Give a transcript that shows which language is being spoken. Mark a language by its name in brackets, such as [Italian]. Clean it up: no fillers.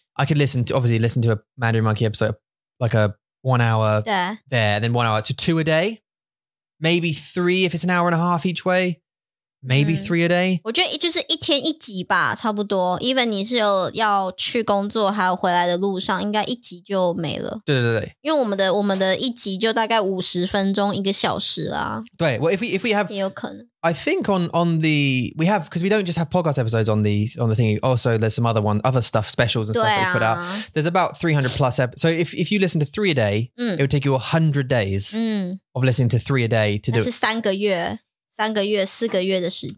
[English] I could listen to a Mandarin Monkey episode, like a 1 hour there, and then 1 hour, so two a day. Maybe three if it's an hour and a half each way. Maybe three a day. [Chinese] 我觉得就是一天一集吧，差不多.Even 你是有要去工作，还有回来的路上，应该一集就没了。对对对，因为我们的一集就大概50分钟，一个小时啦。对， [English] well, if we have [Chinese] 也有可能 [English] I think on the, we have, because we don't just have podcast episodes on the thing. Also, there's some other one, other stuff, specials and stuff that we put out. There's about 300 plus episodes. So if you listen to three a day, it would take you 100 days of listening to three a day to do [Chinese] it. 三个月,四个月的时间.